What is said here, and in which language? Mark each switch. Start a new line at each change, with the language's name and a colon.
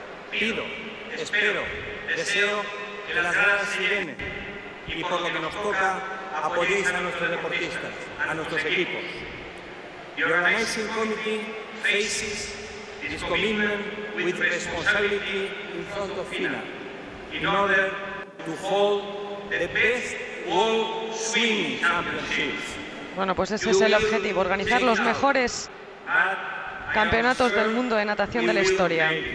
Spanish: Pido, espero, deseo que las gradas se llenen y por lo que nos toca, apoyéis a nuestros deportistas, a nuestros equipos.
English: The organizing committee faces this commitment with responsibility in front of FINA in order to hold the best World Swimming Championships.
Spanish: Bueno, pues ese es el objetivo, organizar los mejores campeonatos del mundo de natación de la historia.